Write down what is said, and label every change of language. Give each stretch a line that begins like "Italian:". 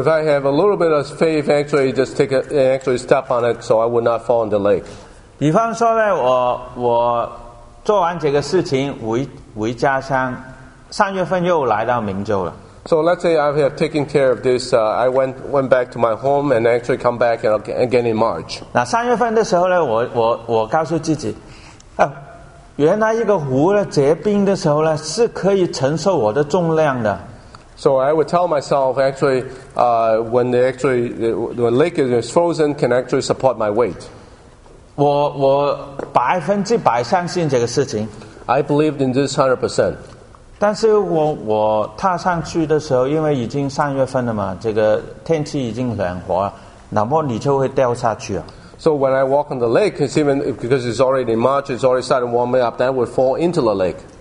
English: if I have a little bit of faith, actually just take an actually step on it, so I would not fall in the lake.
Chinese: 比方说呢，我做完这个事情回家乡，3月份又来到明州了。
English: So let's say I have taken care of this. I went back to my home and actually come back again in March.
Chinese: 那三月份的时候呢，我告诉自己，原来一个湖呢结冰的时候呢，是可以承受我的重量的。
English: So I would tell myself actually, when the lake is frozen, can actually support my weight.
Chinese: 我百分之百相信这个事情。
English: I believed in this 100%.
Chinese: 但是我踏上去的时候，因为已经三月份了嘛，这个天气已经暖和，那么你就会掉下去啊。
English: So when I walk on the lake, it's even because it's already in March, it's already starting warming up, then we fall into the lake.